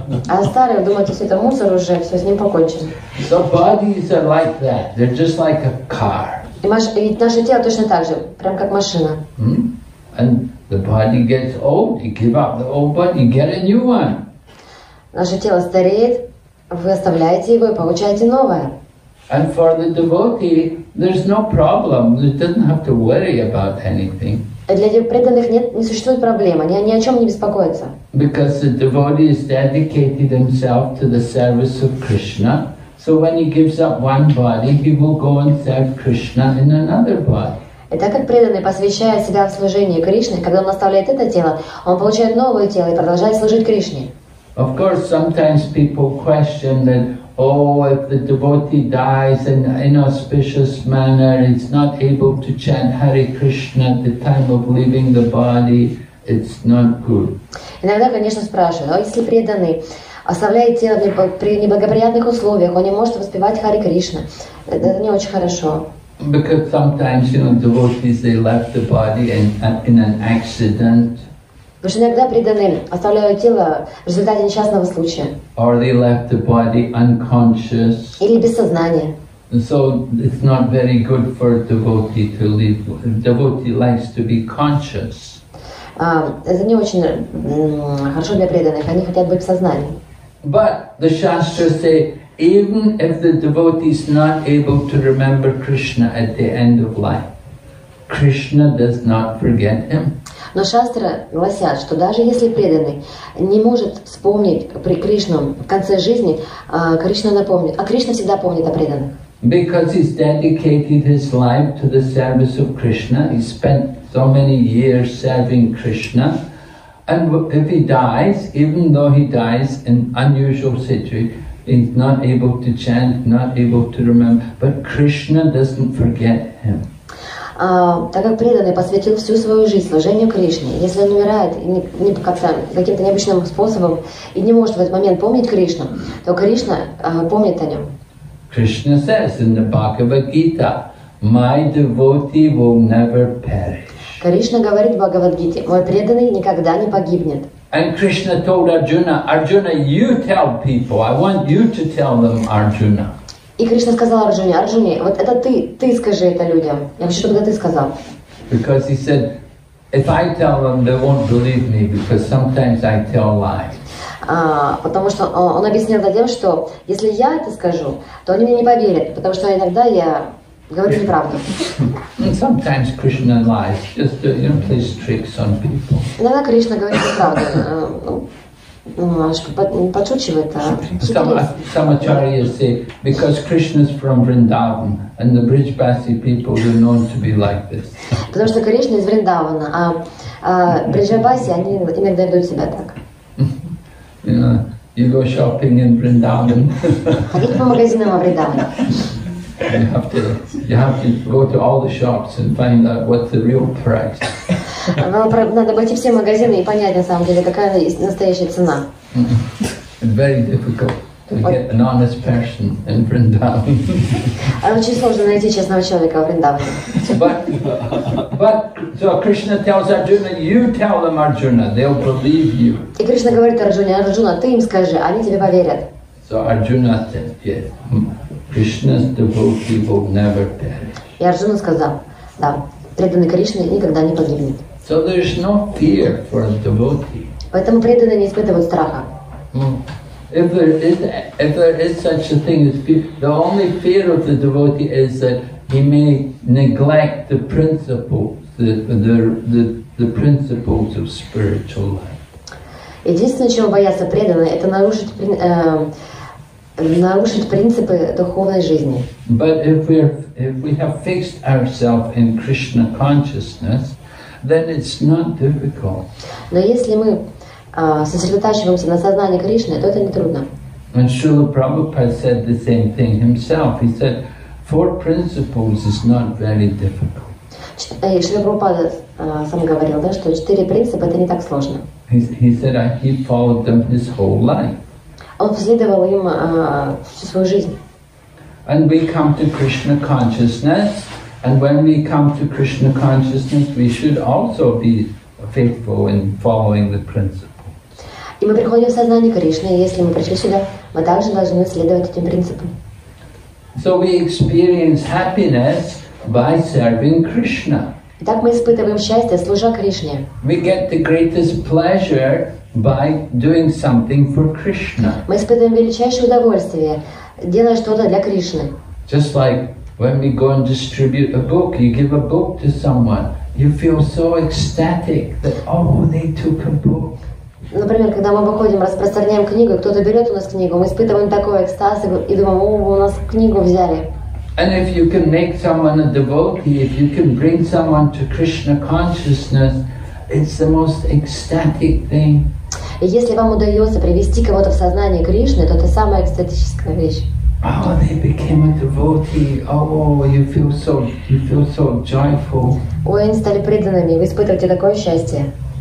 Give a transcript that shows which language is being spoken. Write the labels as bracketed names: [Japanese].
[Russian] А старый, вы думаете, все это мусор уже, все с ним покончено. [English] So bodies are like that, they're just like a car. [Russian] И наше тело точно так же, прям как машина. [English] And the body gets old, you give up the old body, you get a new one. [Russian] Наше тело стареет. Вы оставляете его и получаете новое. [English] And for the devotee, there's no problem. They didn't have to worry about anything. [Russian] Для преданных нет, не существует проблем. Они ни о чем не беспокоятся. [English] Because the devotee has dedicated himself to the service of Krishna, so when he gives up one body, he will go and serve Krishna in another body. [Russian] И так как преданный посвящает себя в служении Кришне, когда он оставляет это тело, он получает новое тело и продолжает служить Кришне. [English] Of course, sometimes people question that, oh, if the devotee dies in an inauspicious manner, it's not able to chant Hare Krishna at the time of leaving the body, it's not good. [Russian] Иногда, конечно, спрашивают, а если преданный оставляет тело при неблагоприятных условиях, он не может воспевать Hare Krishna, это не очень хорошо. [English] Because sometimes, you know, devotees, they left the body in an accident. [Russian] Потому что иногда преданные оставляют тело в результате несчастного случая. [English] Or they left the body unconscious. [Russian] Или без сознания. [English] So it's not very good for a devotee to leave. Devotee likes to be conscious. [Russian] Это не очень хорошо для преданных. Они хотят быть в сознании. [English] But the shastras say, even if the devotee is not able to remember Krishna at the end of life, Krishna does not forget him. [Russian] Но шастры гласят, что даже если преданный не может вспомнить при Кришну в конце жизни, Кришна напомнит. А Кришна всегда помнит о преданных. [English] Because he's dedicated his life to the service of Krishna. He spent so many years serving Krishna. And if he dies, even though he dies in unusual situation, he's not able to chant, not able to remember. But Krishna doesn't forget him. [Russian] Так как преданный посвятил всю свою жизнь служению Кришне, если он умирает каким-то необычным способом и не может в этот момент помнить Кришну, то Кришна помнит о нем. [English] Krishna says in the Bhagavad Gita, my devotee will never perish. [Russian] Кришна говорит в Бхагавад Гите, мой преданный никогда не погибнет. [English] And Krishna told Arjuna, Arjuna, you tell people, I want you to tell them, Arjuna. [Russian] И Кришна сказал Арджуне, Арджуне, вот это ты скажи это людям. Я хочу, чтобы это ты сказал. [English] Because he said, if I tell them, they won't believe me, because sometimes I tell lies. [Russian] Потому что он объяснил тем, что если я это скажу, то они мне не поверят, потому что иногда я говорю неправду. [English] And sometimes Krishna lies, just to, you know, plays tricks on people. [Russian] Иногда Кришна говорит неправду. Подшучивает, а [English] some acharyas say, because Krishna is from Vrindavan, and the Brijbasi people are known to be like this. [Russian] Потому что Кришна из Вриндавана, а Бриджабаси, они иногда ведут себя так. [English] You go shopping in Vrindavan. [Russian] Ходите по магазинам в Вриндаване. [English] You have to go to all the shops and find out what's the real price. [Russian] Вам надо обойти все магазины и понять, на самом деле, какая настоящая цена. [English] Very difficult. non-aspersion in Vrindavan. [Russian] Очень сложно найти честного человека в Вриндаване. [English] But so Krishna tells Arjuna, you tell them, Arjuna, they'll believe you. [Russian] И Кришна говорит Арджуне, Арджуна, ты им скажи, они тебе поверят. [English] So Arjuna said, yes, Krishna's devotee will never perish. [Russian] И Арджуна сказал, да, преданный Кришне никогда не погибнет. [English] So there is no fear for a devotee. [Russian] Поэтому преданные не испытывают страха. [English] If there is such a thing as fear, the only fear of the devotee is that he may neglect the principles, the principles of spiritual life. [Russian] Единственное, чего боятся преданные, это нарушить принципы духовной жизни. [English] But if we have fixed ourselves in Krishna consciousness, then it's not difficult. [Russian] Но если мы сосредотачиваемся на сознании Кришны, то это не трудно. [English] And Srila Prabhupada said the same thing himself. He said, four principles is not very difficult. [Russian] Srila Prabhupada сам говорил, да, что четыре принципа это не так сложно. [English] He said that he followed them his whole life. [Russian] Он следовал им всю свою жизнь. [English] And we come to Krishna consciousness. And when we come to Krishna consciousness, we should also be faithful in following the principles. [Russian] И мы приходим в сознание Кришны, и если мы пришли сюда, мы также должны следовать этим принципам. [English] So we experience happiness by serving Krishna. [Russian] Итак, мы испытываем счастье, служа Кришне. [English] We get the greatest pleasure by doing something for Krishna. [Russian] Мы испытываем величайшее удовольствие, делая что-то для Кришны. [English] Just like when we go and distribute a book, you give a book to someone, you feel so ecstatic that, oh, they took a book. [Russian] Например, когда мы выходим, распространяем книгу, кто-то берет у нас книгу, мы испытываем такой экстаз и думаем, о, у нас книгу взяли. [English] And if you can make someone a devotee, if you can bring someone to Krishna consciousness, it's the most ecstatic thing. [Russian] И если вам удается привести кого-то в сознание Кришны, то это самая экстатическая вещь. [English] Oh, they became a devotee. Oh, you feel so joyful. [Russian] Ой, они стали преданными. Вы испытываете такое счастье.